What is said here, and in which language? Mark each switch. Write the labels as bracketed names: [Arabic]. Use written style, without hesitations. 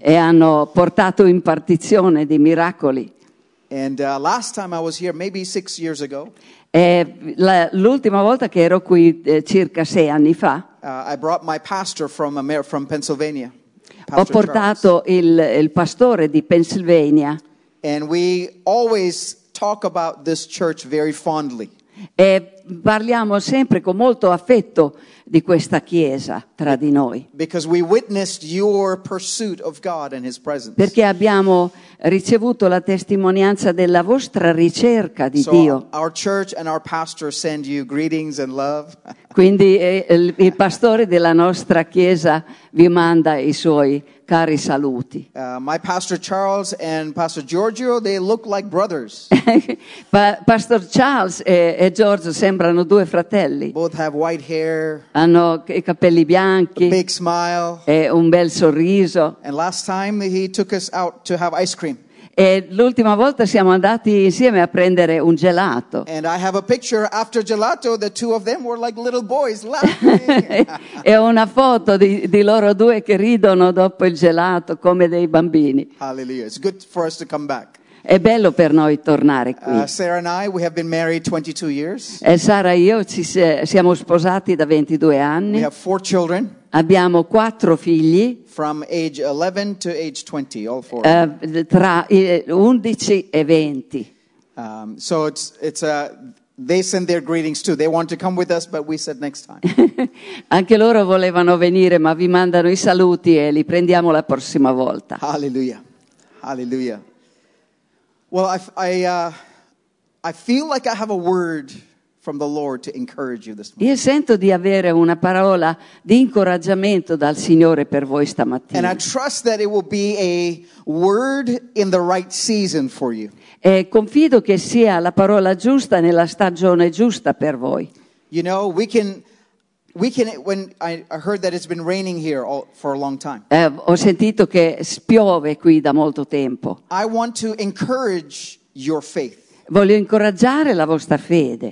[Italian] E hanno portato impartizione di miracoli. [English] And last time I was here, maybe 6 years ago. [Italian] L'ultima volta che ero qui, circa 6 anni fa. [English] I brought my pastor from Pennsylvania. [Italian] Ho portato il pastore di Pennsylvania. [English] And we always talk about this church very fondly. [Italian] E parliamo sempre con molto affetto di questa chiesa tra di noi. [English] Because we witnessed your pursuit of God and his presence. [Italian] Perché abbiamo ricevuto la testimonianza della vostra ricerca di Dio. [English] Our church and our pastor send you greetings and love. [Italian] Quindi il pastore della nostra chiesa vi manda i suoi cari saluti. [English] My pastor Charles and pastor Giorgio, they look like brothers. [Italian] Pastor Charles e Giorgio sembrano due fratelli. [English] Both have white hair. [Italian] Hanno i capelli bianchi. [English] A big smile. [Italian] E un bel sorriso. [English] And last time he took us out to have ice cream. [Italian] E l'ultima volta siamo andati insieme a prendere un gelato. [English] And I have a picture after gelato, the two of them were like little boys laughing. [Italian] E ho una foto di loro due che ridono dopo il gelato come dei bambini. [English] Hallelujah. It's good for us to come back. [Italian] È bello per noi tornare qui. [English] Sarah and I, we have been married 22 years. [Italian] E Sara e io ci siamo sposati da 22 anni. [English] We have 4 children. [Italian] Abbiamo 4 figli. [English] From age 11 to age 20, all 4. [Italian] Tra 11 e 20. [English] So they send their greetings too. They want to come with us, but we said next time. [Italian] Anche loro volevano venire, ma vi mandano i saluti e li prendiamo la prossima volta. [English] Hallelujah. Hallelujah. Well, I feel like I have a word from the Lord to encourage you this morning. [Italian] Io sento di avere una parola di incoraggiamento dal Signore per voi stamattina. [English] And I trust that it will be a word in the right season for you. [Italian] E confido che sia la parola giusta nella stagione giusta per voi. [English] You know, we can when I heard that it's been raining here for a long time. [Italian] Ho sentito che piove qui da molto tempo. [English] I want to encourage your faith. [Italian] Voglio incoraggiare la vostra fede.